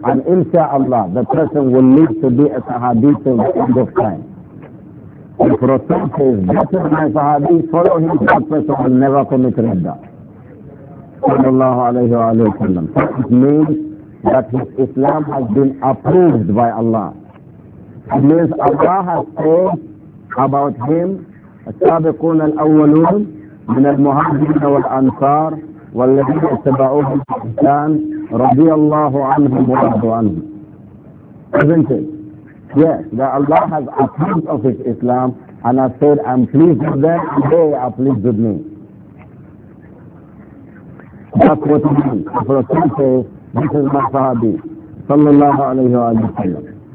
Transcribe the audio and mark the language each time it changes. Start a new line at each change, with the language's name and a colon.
English: And insha'Allah, the person will need to be a sahabi till the end of time. If Rasul says, this is my sahabi, follow him, that person will never commit ridda. Sallallahu alayhi wa sallam. It means that his Islam has been approved by Allah. It means Allah has said about him,
Arabic: السابقون الأولون من المهاجرين والأنصار والذين اتبعوهم بإحسان رضي الله عنهم ورضوا عنهم.
English: Isn't it? Yes, that Allah has approved of his Islam and has said, I'm pleased with them, they are pleased with me. That's what it means. If Rasul says, this is my sahabi, sallallahu alayhi wa sallam.